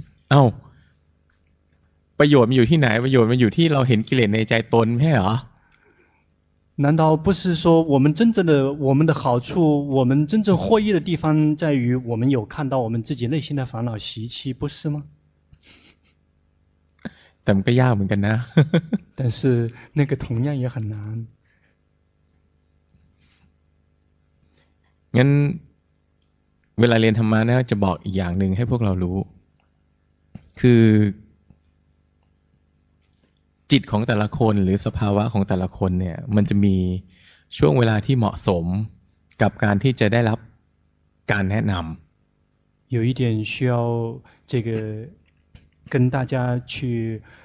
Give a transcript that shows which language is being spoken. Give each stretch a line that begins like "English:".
Thai: เอ้าประโยชน์มันอยู่ที่ไหนประโยชน์มันอยู่ที่เราเห็นกิเลสในใจตนไม่ใช่หรอ
Chinese: 难道不是说我们真正的我们的好处我们真正获益的地方在于我们有看到我们自己内心的烦恼习气不是吗但是也很难但是那个同样也很难
Thai: 那เวลาเรียนธรรมะนะจะบอกอีกอย่างหนึ่งให้พวกเรารู้คือจิตของแต่ละคนหรือสภาวะของแต่ละคนเนี่ยมันจะมีช่วงเวลาที่เหมาะสมกับการที่จะได้รับการแนะนำ
Chinese: 有一点需要这个跟大家去